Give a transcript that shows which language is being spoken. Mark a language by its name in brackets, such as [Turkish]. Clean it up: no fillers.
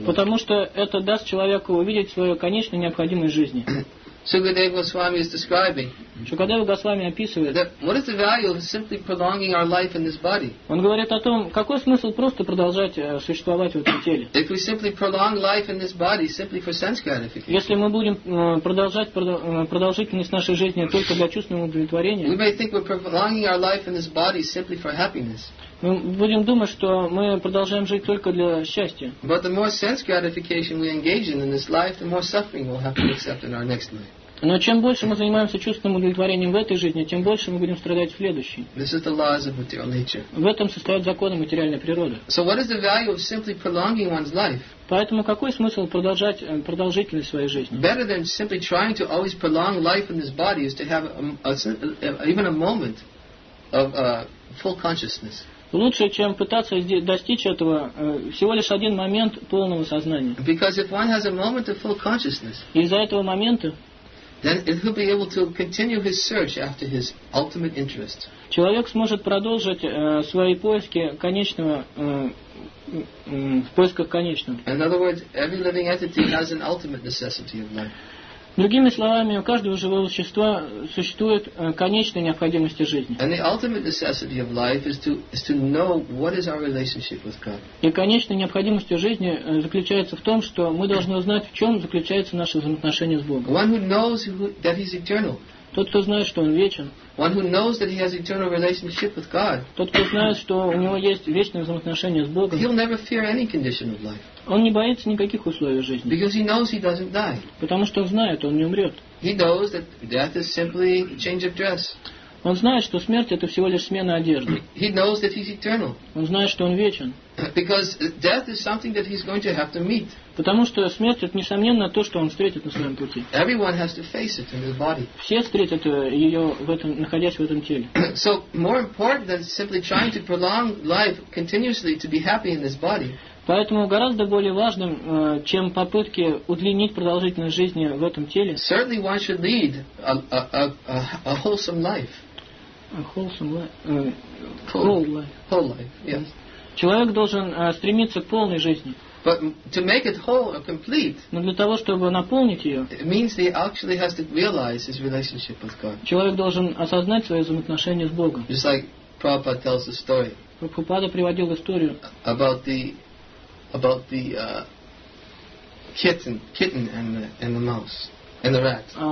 [Russian] Потому что это даст человеку увидеть свою конечную необходимость жизни. [English] Shukadeva Goswami is describing. [Russian] Shukadeva Goswami описывает. [English] What is the value of simply prolonging our life in this body? [Russian] Он говорит о том, какой смысл просто продолжать существовать в этом теле. [English] If we simply prolong life in this body simply for sense gratification. [Russian] Если мы будем продолжать продолжительность нашей жизни только для чувственного удовлетворения. [English] We may think we're prolonging our life in this body simply for happiness. [Russian] Мы будем думать, что мы продолжаем жить только для счастья. [English] But the more sense gratification we engage in this life, the more suffering we'll have to accept in our next life. [Russian] Но чем больше мы занимаемся чувственным удовлетворением в этой жизни, тем больше мы будем страдать в следующей. [English] This is the laws of material nature. [Russian] В этом состоят законы материальной природы. [English] So what is the value of simply prolonging one's life? [Russian] Поэтому какой смысл продолжать продолжительность своей жизни? [English] Better than simply trying to always prolong life in this body is to have even a moment of full consciousness. [Russian] Лучше, чем пытаться достичь этого всего лишь один момент полного сознания. [English] Because if one has a moment of full consciousness, [Russian] из-за этого момента, [English] then he'll be able to continue his search after his ultimate interest. [Russian] Человек сможет продолжить свои поиски конечного, в поисках конечного. [English] In other words, every living entity has an ultimate necessity of life. [Russian] Другими словами, у каждого живого существа существует конечная необходимость жизни. [English] And the ultimate necessity of life is to know what is our relationship with God. [Russian] И конечная необходимость жизни заключается в том, что мы должны узнать, в чем заключается наше взаимоотношение с Богом. [English] One who knows that he's eternal. [Russian] Тот, кто знает, что он вечен. [English] One who knows that he has eternal relationship with God. [Russian] Тот, кто знает, что у него есть вечное взаимоотношение с Богом. [English] He'll never fear any condition of life. [Russian] Он не боится никаких условий жизни. [English] Because he knows he doesn't die. [Russian] Потому что он знает, он не умрет. [English] He knows that death is simply a change of dress. [Russian] Он знает, что смерть это всего лишь смена одежды. [English] He knows that he's eternal. [Russian] Он знает, что он вечен. [English] Because death is something that he's going to have to meet. [Russian] Потому что смерть это несомненно то, что он встретит на своем пути. [English] Everyone has to face it in his body. [Russian] Все встретят ее в этом, находясь в этом теле. [English] So more important than simply trying to prolong life continuously to be happy in this body. [Russian] Поэтому гораздо более важным, чем попытки удлинить продолжительность жизни в этом теле. [English] Certainly one should lead a wholesome life. A wholesome life. Whole life, yes. [Russian] Человек должен стремиться к полной жизни. [English] But to make it whole or complete, [Russian] но для того, чтобы наполнить ее, [English] it means he actually has to realize his relationship with God. [Russian] Человек должен осознать свои взаимоотношения с Богом. [English] Just like Prabhupada tells the story. [Russian] Прабхупада приводил историю. [English] About the kitten and the mouse and the rat.